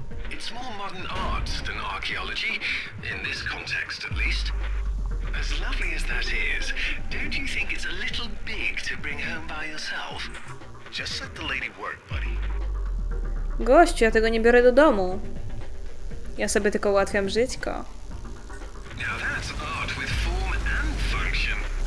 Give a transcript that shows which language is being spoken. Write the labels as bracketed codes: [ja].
[en] It's more modern art than archaeology, in this context at least. As lovely as that is, don't you think it's a little big to bring home by yourself? Just let the lady work, buddy. [pl] Gościu, ja tego nie biorę do domu. Ja sobie tylko ułatwiam żyćko. [en] Now that's art with form and function.